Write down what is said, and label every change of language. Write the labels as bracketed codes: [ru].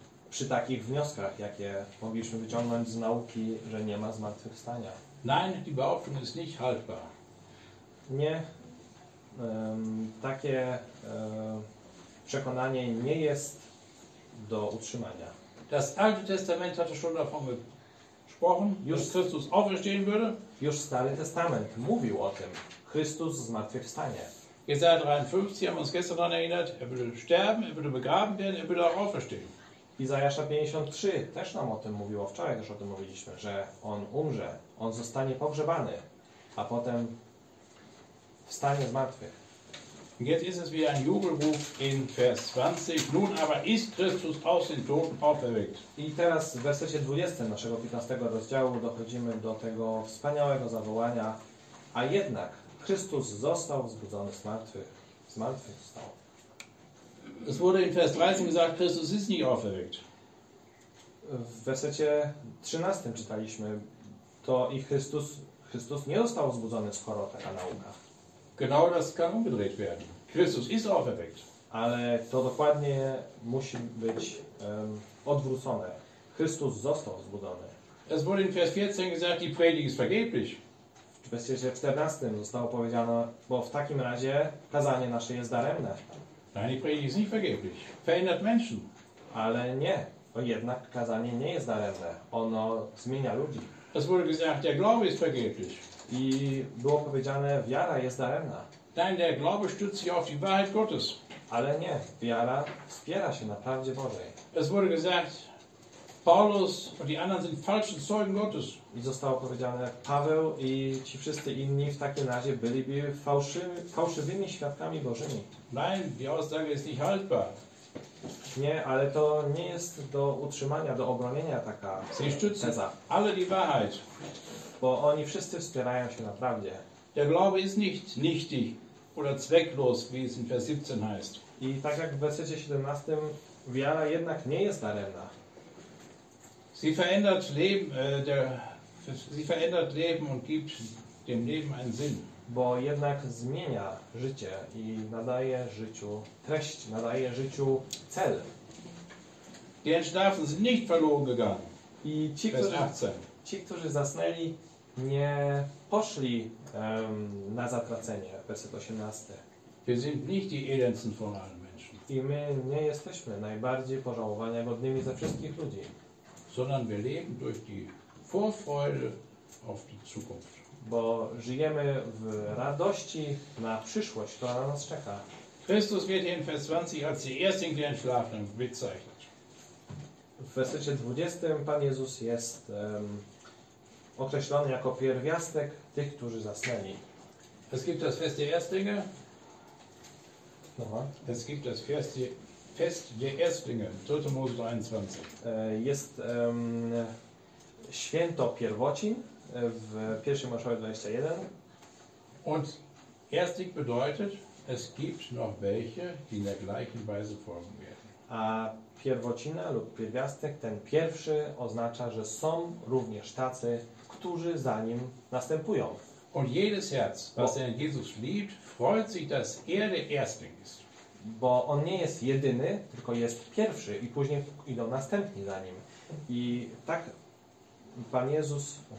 [pl] Przy takich wnioskach, jakie mogliśmy wyciągnąć z nauki, że nie ma zmartwychwstania. [de] Nein, die Behauptung ist nicht haltbar. [pl] Nie, takie przekonanie nie jest do utrzymania. [de] Das Alte Testament hatte schon davon gesprochen, [pl] już Chrystus [de] auferstehen würde. [pl] Już Stary Testament mówił o tym, Chrystus zmartwychwstanie. [de] Jesaja 53, haben wir uns gestern daran erinnert, er würde sterben, er würde begraben werden, er würde auch auferstehen. [pl] Izajasza 53 też nam o tym mówiło, wczoraj też o tym mówiliśmy, że on umrze, on zostanie pogrzebany, a potem wstanie z martwych. [de] Jetzt ist es wie ein Jubelruf in Vers 20. Nun aber ist Christus aus den Toten auferweckt. [pl] I teraz w wersecie 20 naszego 15 rozdziału dochodzimy do tego wspaniałego zawołania, a jednak Chrystus został wzbudzony z martwych. Z martwych został. [de] Es wurde in Vers 13 gesagt, Christus ist nicht auferweckt. [pl] W wersecie 13 czytaliśmy to i Chrystus nie został wzbudzony, skoro taka nauka. [de] Genau das kann umgedreht werden. Christus ist auferweckt. [pl] Ale to dokładnie musi być odwrócone. Chrystus został wzbudzony. [de] Es wurde in Vers 14 gesagt, die Predigt ist vergeblich. [pl] W wersecie 14 zostało powiedziane, bo w takim razie kazanie nasze jest daremne. [de] Nein, die Predigt ist nicht vergeblich. Verändert Menschen. [pl] Ale nie. O jednak kazanie nie jest daremne. Ono zmienia ludzi. [de] Es wurde gesagt, der Glaube ist vergeblich. [pl] I było powiedziane, wiara jest daremna. [de] Nein, der Glaube stützt sich auf die Wahrheit Gottes. [pl] Ale nie. Wiara wspiera się na prawdzie Bożej. [de] Es wurde gesagt, Paulus und die anderen sind falsche Zeugen Gottes. [pl] I zostało powiedziane, Paweł i ci wszyscy inni w takim razie byliby fałszywymi świadkami Bożymi. [de] Nein, die Aussage ist nicht haltbar. [pl] Nie, ale to nie jest do utrzymania, do obronienia taka teza. [de] Alle die Wahrheit. [pl] Bo oni wszyscy wspierają się na prawdzie. [de] Der Glaube ist nicht nichtig oder zwecklos, wie es in Vers 17 heißt. [pl] I tak jak w wersecie 17, wiara jednak nie jest daremna. [de] Sie verändert Leben, sie verändert Leben und gibt dem Leben einen Sinn. [pl] Bo jednak zmienia życie i nadaje życiu treść, nadaje życiu cel. [de] Die Entschlafen sind nicht verloren gegangen. [pl] I ci, którzy zasnęli, nie poszli na zatracenie. Werset 18. [de] Wir sind nicht die elendsten von allen Menschen. [pl] I my nie jesteśmy najbardziej pożałowania godnymi ze wszystkich ludzi. [de] Sondern wir leben durch die Vorfreude auf die Zukunft. [pl] Bo żyjemy w radości na przyszłość, która na nas czeka. [de] Chrystus wird hier in Vers 20 als der Erste in den Schlafenden bezeichnet. [pl] W wersecie 20 Pan Jezus jest określony jako pierwiastek tych, którzy zasnęli. [de] Es gibt das Fest der Erstlinge. Aha. Es gibt das Fest der Erstlinge, 3. Mose 23. [pl] Jest święto pierwocin w 1. Mosze 21. [de] Und Erstling bedeutet, es gibt noch welche, die in der gleichen Weise folgen werden. [pl] A pierwocina lub pierwiastek, ten pierwszy, oznacza, że są również tacy, którzy za nim następują. [de] Und jedes Herz, was den Jesus liebt, freut sich, dass der Erstling ist. [pl] Bo on nie jest jedyny, tylko jest pierwszy i później idą następni za nim. I tak Pan Jezus...